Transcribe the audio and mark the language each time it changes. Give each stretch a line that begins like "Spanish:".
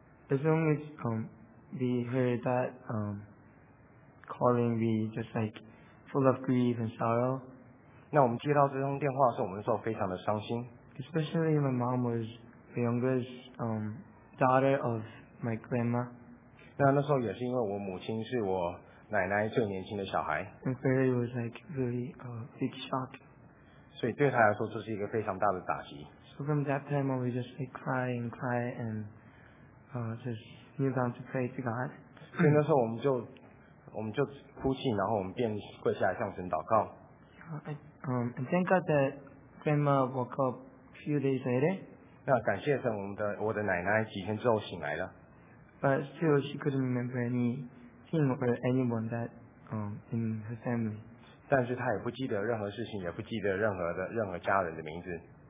English: As long as we heard that calling, we just like full of grief and sorrow.
Chinese: 那我们接到这通电话的时候，我们说非常的伤心。
English: Especially my mom was the youngest daughter of my grandma.
Chinese: 那时候也是因为我母亲是我奶奶最年轻的小孩。
English: And so it was like really a big shock.
Chinese: 所以对她来说，这是一个非常大的打击。
English: So from that time on, we just like cry and cry and just kneel down to pray to God.
Chinese: 所以那时候我们就哭泣，然后我们便跪下来向神祷告。
English: And thank God that grandma woke up a few days later.
Chinese: 那感谢神，我的奶奶几天之后醒来了。
English: But still, she couldn't remember anything or anyone that in her family.
Chinese: 但是她也不记得任何事情，也不记得任何家人的名字。